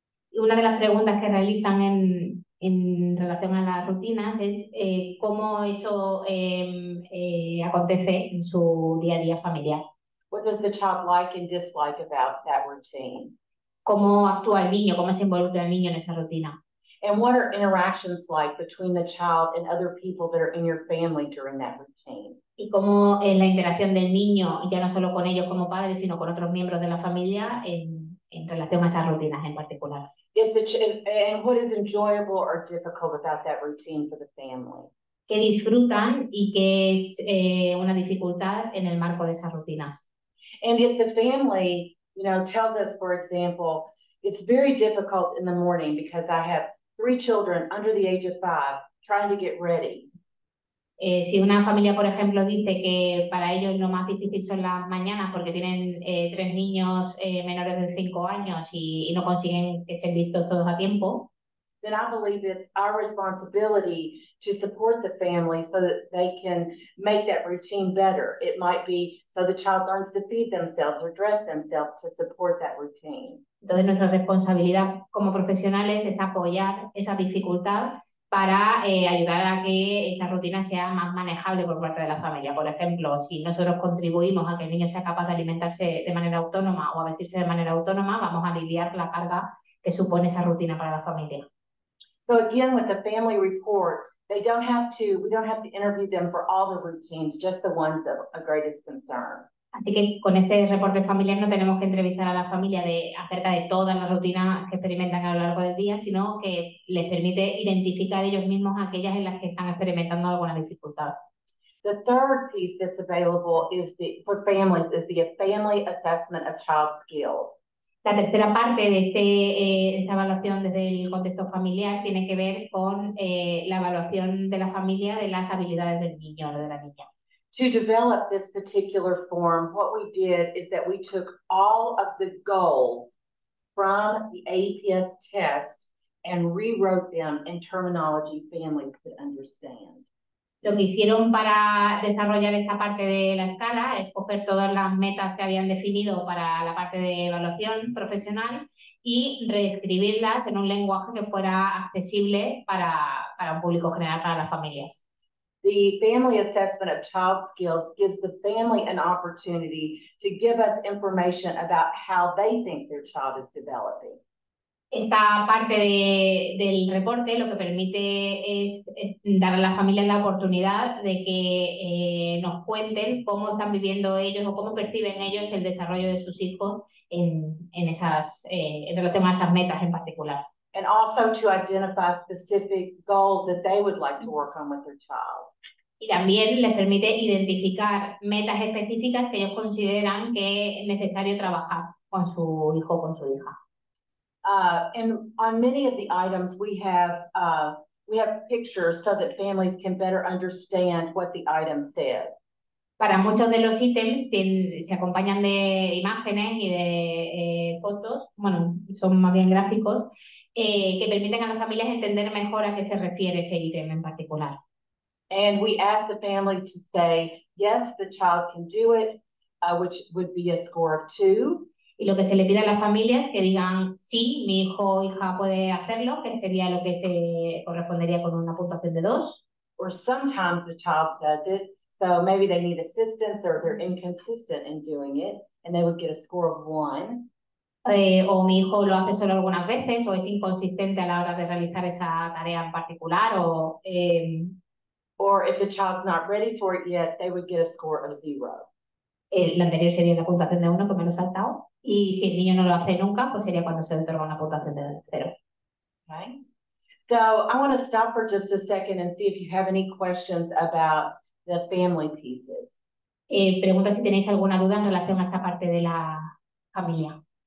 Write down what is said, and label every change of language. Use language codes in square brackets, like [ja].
[es] Y una de las preguntas que realizan en relación a las rutinas es cómo eso acontece en su día a día familiar. [en] What does the child like and dislike about that routine? [es] ¿Cómo actúa el niño? ¿Cómo se involucra el niño en esa rutina? [en] And what are interactions like between the child and other people that are in your family during that routine? [es] ¿Y cómo es la interacción del niño, ya no solo con ellos como padres, sino con otros miembros de la familia en relación a esas rutinas en particular? [en] And what is enjoyable or difficult about that routine for the family? [es] ¿Qué disfrutan y qué es una dificultad en el marco de esas rutinas? [en] And if the family, you know, tells us, for example, it's very difficult in the morning because I have 3 children under the age of 5 trying to get ready. [es] Si una familia, por ejemplo, dice que para ellos lo más difícil son las mañanas porque tienen 3 niños menores de 5 años y no consiguen que estén listos todos a tiempo, [en] then I believe it's our responsibility to support the family so that they can make that routine better. It might be so the child learns to feed themselves or dress themselves to support that routine. [es] Entonces nuestra responsabilidad como profesionales es apoyar esa dificultad para ayudar a que esa rutina sea más manejable por parte de la familia. Por ejemplo, si nosotros contribuimos a que el niño sea capaz de alimentarse de manera autónoma o a vestirse de manera autónoma, vamos a aliviar la carga que supone esa rutina para la familia. [en] So again, with the family report, they don't have to, we don't have to interview them for all the routines, just the ones of a greatest concern. [es] Así que con este reporte familiar no tenemos que entrevistar a la familia acerca de todas las rutinas que experimentan a lo largo del día, sino que les permite identificar ellos mismos aquellas en las que están experimentando alguna dificultad. [en] The third piece that's available is for families is the family assessment of child skills. [es] La tercera parte de esta evaluación desde el contexto familiar tiene que ver con la evaluación de la familia de las habilidades del niño o de la niña. [en] To develop this particular form, what we did is that we took all of the goals from the AEPS test and rewrote them in terminology families could understand. [es] Lo que hicieron para desarrollar esta parte de la escala es coger todas las metas que habían definido para la parte de evaluación profesional y reescribirlas en un lenguaje que fuera accesible para un público general, para las familias. [en] The family assessment of child skills gives the family an opportunity to give us information about how they think their child is developing. [es] Esta parte del reporte lo que permite es dar a las familias la oportunidad de que nos cuenten cómo están viviendo ellos o cómo perciben ellos el desarrollo de sus hijos en relación a esas metas en particular. [en] And also to identify specific goals that they would like to work on with their child. [es] Y también les permite identificar metas específicas que ellos consideran que es necesario trabajar con su hijo o con su hija. [en] And on many of the items we have pictures so that families can better understand what the item says. [es] Para muchos de los ítems se acompañan de imágenes y de fotos, bueno, son más bien gráficos, que permiten a las familias entender mejor a qué se refiere ese ítem en particular. [en] And we ask the family to say, yes, the child can do it, which would be a score of 2. [es] Y lo que se le pide a las familias que digan, sí, mi hijo o hija puede hacerlo, que sería lo que se correspondería con una puntuación de 2. [en] Or sometimes the child does it, so maybe they need assistance or they're inconsistent in doing it, and they would get a score of 1. [es] O mi hijo lo hace solo algunas veces, o es inconsistente a la hora de realizar esa tarea en particular, o... [en] Or if the child's not ready for it yet, they would get a score of 0. [es] La anterior sería la puntuación de 1, que me lo he saltado. Y si el niño no lo hace nunca, pues sería cuando se otorga una puntuación de 0. [en] Okay. So I want to stop for just a second and see if you have any questions about the family pieces. [es] Pregunta si tenéis alguna duda en relación a esta parte de la familia.